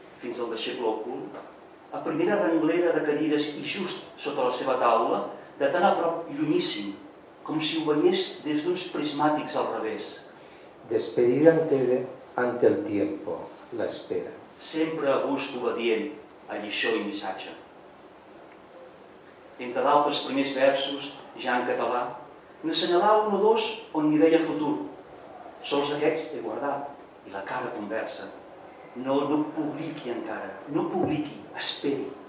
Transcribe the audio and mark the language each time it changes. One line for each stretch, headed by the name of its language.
Catalan: fins al deixeble ocult, a primera renglera de cadires i just sota la seva taula, de tan a prop llunyíssim, com si ho veiés des d'uns prismàtics al revés.
Spanish: Despedida ante el tiempo, la espera.
Catalan: Sempre a gust obedient, alliçó i missatge. Entre d'altres primers versos, ja en català, n'assenyalava un o dos on hi veia futur. Sols aquests he guardat i la cara conversa. No publiqui encara, no publiqui, esperi.